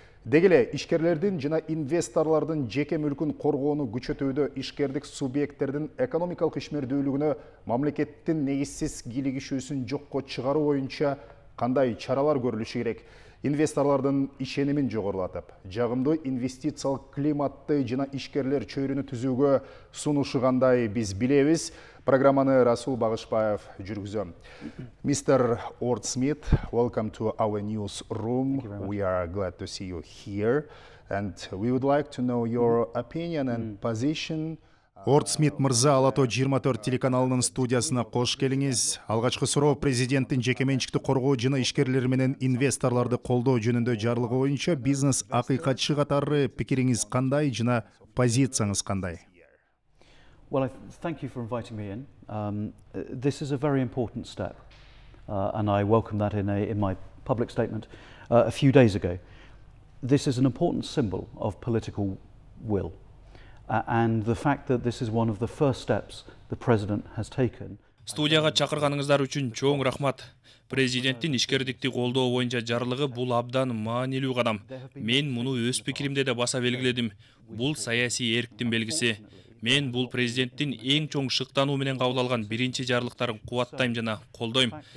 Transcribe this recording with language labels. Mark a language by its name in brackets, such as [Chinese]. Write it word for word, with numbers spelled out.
[Kyrgyz] Деги эле ишкерлердин жана инвесторлордун жеке мүлкүн коргоону күчөтүүдө ишкердик субъекттердин экономикалык ишмердүүлүгүнө, мамлекеттин негизсиз кийлигишүүсүн жокко чыгаруу боюнча кандай чаралар көрүлүшү керек? Инвесторлордун ишенимин жогорулатып, жагымдуу инвестициялык климатты жана ишкерлер чөйрүнү түзүүгө сунушу кандай биз билебиз. Программаны Расул Багышбаев жүргүзөм. [English] Mister Ортсмит, welcome to our newsroom. We are glad to see you here and we would like to know your opinion and position. [Kyrgyz] Ортсмит мырза, Алатоо жыйырма төрт телеканалынын студиясына кош келиңиз. Алгачкы суроо президенттин жеке менчикти коргоо жана ишкерлер менен инвесторлорду колдоо жөнүндө жарлыгы боюнча бизнес акыйкатчы катары пикириңиз кандай жана позицияңыз кандай? [English] Well, I thank you for inviting me in. Um, this is a very important step uh, and I welcome that in, a, in my public statement uh, a few days ago. This is an important symbol of political will. Uh, and the fact that this is one of the first steps the president has taken. [Kyrgyz] Студияга чакырганыңыздар үчүн чоң рахмат. Президенттин ишкердикти колдоо боюнча жарлыгы бул абдан маанилүү кадам. Мен муну өз пикиримде да баса белгиледим. Бул саясий эрктин белгиси. Мен бул президенттин эң чоң шыктануу менен кабыл алган биринчи жарлыктарын кубаттайм жана колдойм.